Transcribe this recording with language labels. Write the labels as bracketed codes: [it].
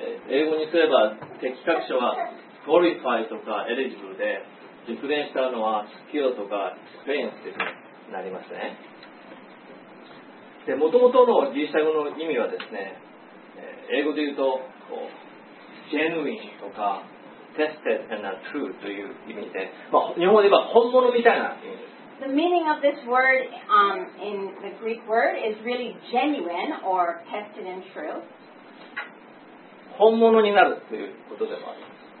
[ja] 英語にすれば適格者は qualified とか eligible で、熟練したのはスキルとかエクスペリエンスというふうになりますね。もともとのギリシャ語の意味はですね、英語で言うとこう、genuine とか [en] tested and true [ja] という意味で、まあ、日本語で言えば本物みたいな意味です。 [en] the meaning of this word in the Greek word is really genuine or tested and true. [ja] 本物になるということでもあります。